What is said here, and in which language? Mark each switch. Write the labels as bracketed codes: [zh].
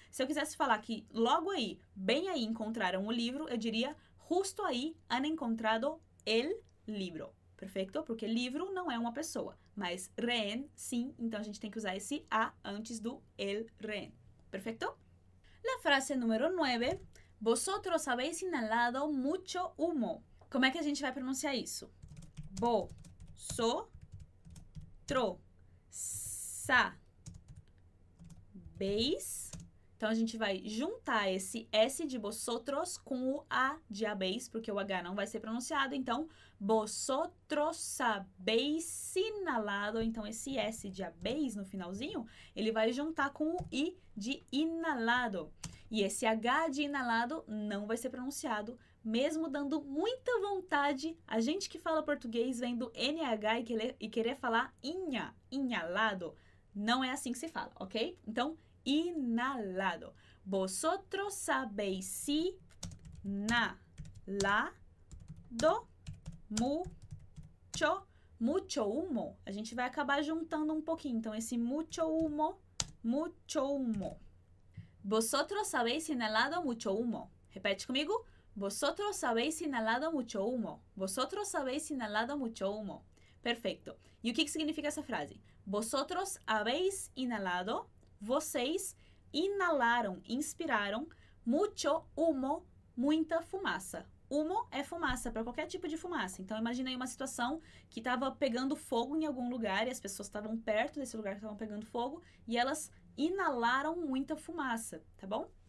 [pt] Se eu quisesse falar que logo aí, bem aí, encontraram o livro, eu diria justo aí [es] han encontrado el libro. [pt] Perfeito? Porque livro não é uma pessoa, mas rehén sim, então a gente tem que usar esse a antes do el rehén. Perfeito? [es] La frase número 9. Vosotros habéis inhalado mucho humo. [pt] Como é que a gente vai pronunciar isso? Bo, so, tro, sa, beis. Então a gente vai juntar esse S de vosotros com o A de habéis, porque o H não vai ser pronunciado. [es] Então, vosotros habéis inhalado. [pt] Então, esse S de habéis no finalzinho, ele vai juntar com o I de inhalado. E esse H de inalado não vai ser pronunciado, mesmo dando muita vontade. A gente que fala português vendo NH e querer falar inha, inhalado, não é assim que se fala, ok? Então, inalado. [es] Vosotros sabéis si na la do mu cho mucho humo. [pt] A gente vai acabar juntando um pouquinho. [es] Então, esse mucho humo, mucho humo. Vosotros habéis inhalado mucho humo. [pt] Repete comigo. [es] Vosotros habéis inhalado mucho humo. Vosotros habéis inhalado mucho humo. [pt] Perfeito. E o que que significa essa frase? [es] Vosotros habéis inhalado. [pt] Vocês inalaram, inspiraram [es] mucho humo, [pt] muita fumaça. Humo é fumaça para qualquer tipo de fumaça. Então imagina aí uma situação que estava pegando fogo em algum lugar e as pessoas estavam perto desse lugar que estavam pegando fogo e elas inalaram muita fumaça, tá bom?